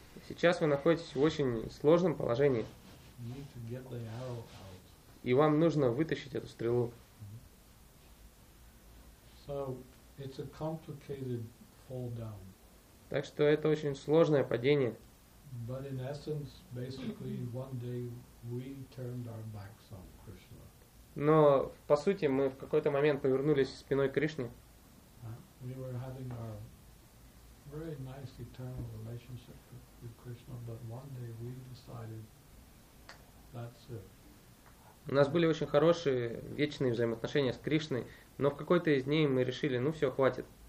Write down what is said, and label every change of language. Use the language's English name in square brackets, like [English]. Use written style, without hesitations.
[Russian] Сейчас вы находитесь в очень сложном положении. [English] You need to get the arrow out. [Russian] И вам нужно вытащить эту стрелу. [English] So it's a complicated fall down. [Russian] Так что это очень сложное падение. [English] But in essence, basically, one day we turned our backs on Krishna. [Russian] Но по сути мы в какой-то момент повернулись спиной к Кришне. [English] We were having our very nice eternal relationship with Krishna, but one day we decided that's it. [Russian] У нас были очень хорошие вечные взаимоотношения с Кришной, но в какой-то из дней мы решили, ну все, хватит.